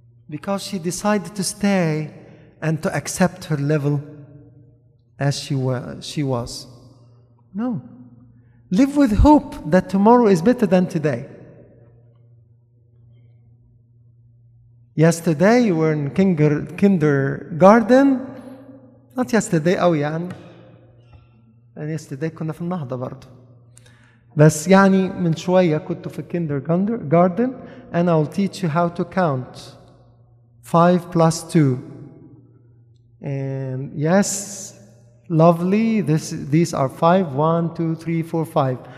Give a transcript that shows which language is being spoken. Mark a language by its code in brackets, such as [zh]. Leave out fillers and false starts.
[en] Because she decided to stay and to accept her level as she was. No. Live with hope that tomorrow is better than today. Yesterday you were in kindergarten. Not yesterday, أويان. And yesterday [ar] كنا في النهضة برضو. بس يعني من شوية كنت في [en] kindergarten and I'll teach you how to count 5 plus 2. And yes, lovely, these are 5, 1, 2, 3, 4, 5.